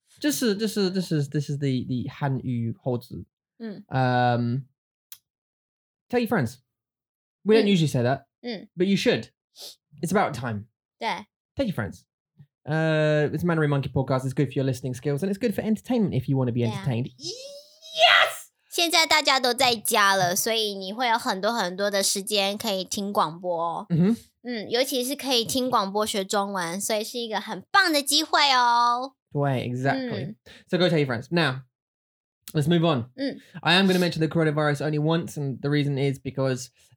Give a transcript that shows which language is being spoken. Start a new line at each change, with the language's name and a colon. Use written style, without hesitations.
English: This is the 汉语猴子。 Tell your friends. We don't usually say that. But you should. It's about time.
Chinese: 对。
English: Tell your friends. It's Mandarin Monkey Podcast. It's good for your listening skills, and it's good for entertainment if you want to be entertained. Yes!
Chinese: 现在大家都在家了，所以你会有很多很多的时间可以听广播。尤其是可以听广播学中文，所以是一个很棒的机会哦。对，
English: exactly. So go tell your friends. Now, let's move on. I am going to mention the coronavirus only once, and the reason is because...